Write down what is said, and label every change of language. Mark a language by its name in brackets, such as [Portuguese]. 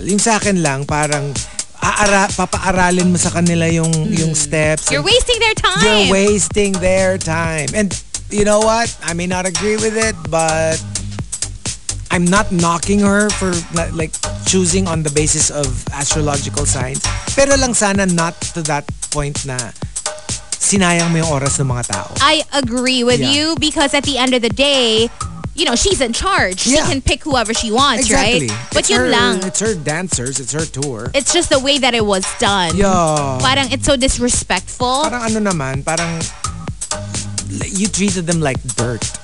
[Filipino] Yung sa akin lang, parang papaaralin mo sa kanila yung steps. [English] You're wasting their time. You're wasting their time. And you know what? I may not agree with it, but I'm not knocking her for like choosing on the basis of astrological signs. [Filipino] Pero lang sana [English] not to that point [Filipino] na sinayang mo yung oras ng mga tao. [English] I agree with you because at the end of the day, you know, she's in charge. Yeah. She can pick whoever she wants, exactly. Right? But yun lang. It's her dancers. It's her tour. It's just the way that it was done. Yeah. Parang it's so disrespectful. Parang ano naman, parang you treated them like dirt.